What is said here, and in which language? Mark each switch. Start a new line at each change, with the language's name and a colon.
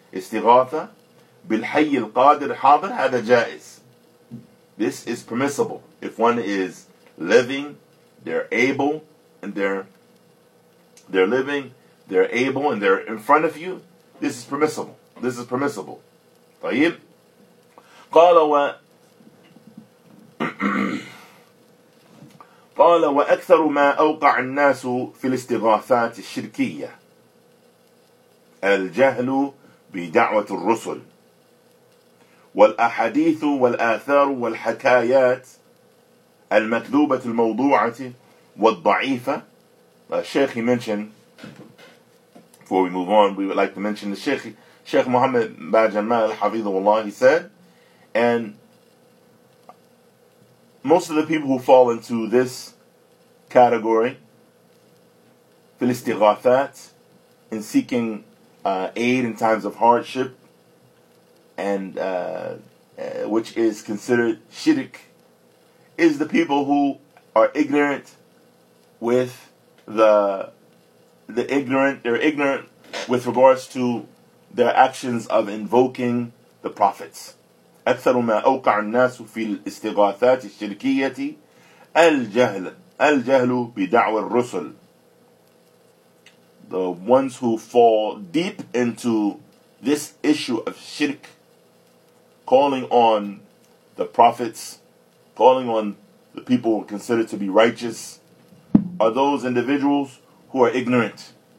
Arabic: Istighatha bil-hayy al-qadir al-hadir, hadha jaiz.
English: This is permissible. If one is living, they're able, and they're living, they're able, and they're in front of you, this is permissible. This is permissible. طيب.
Arabic: قال و قال وأكثر ما أوقع الناس في الاستغاثات الشركية الجهل بدعوة الرسل والأحاديث والآثار والحكايات المكذوبة الموضوعة والضعيفة.
English: الشيخ mentioned, before we move on, we would like to mention the Sheikh Muhammad bin Jamal al-Hafidhullah, he said, and most of the people who fall into this category, fil istighathat, in seeking aid in times of hardship, and which is considered shirk, is the people who are ignorant with the ignorant, they're ignorant with regards to their actions of invoking the prophets.
Arabic: أكثر ما أوقع الناس في الاستغاثات الشركية الجهل الجهل بدعوة الرسل.
English: The ones who fall deep into this issue of shirk, calling on the prophets, calling on the people who are considered to be righteous, are those individuals who are ignorant.